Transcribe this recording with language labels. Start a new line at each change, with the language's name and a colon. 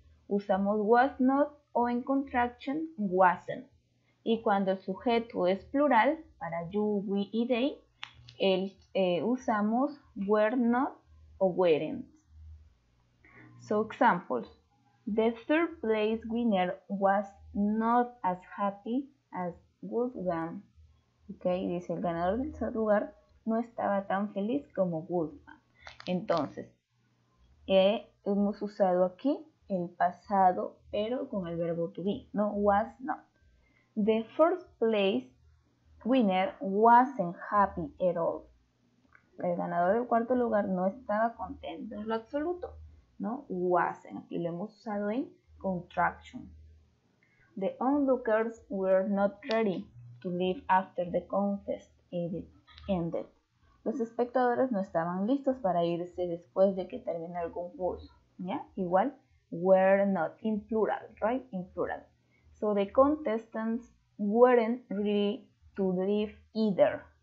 Spanish: Usamos was not o en contraction wasn't. Y cuando el sujeto es plural, para you, we y they, usamos
English: were not o weren't. So examples. The third place winner was not as happy as Wolfgang.
Spanish: Okay, dice el ganador del tercer lugar no estaba tan feliz como Wolfgang. Entonces, hemos usado aquí el pasado, pero con el verbo to be, no was not.
English: The first place winner wasn't happy at all.
Spanish: El ganador del cuarto lugar no estaba contento en lo absoluto, no wasn't. Aquí lo hemos usado en contraction.
English: The onlookers were not ready to leave after the contest ended.
Spanish: Los espectadores no estaban listos para irse después de que terminó el concurso. ¿Ya? Igual,
English: were not, in plural, right? In plural. So the contestants weren't ready to leave either.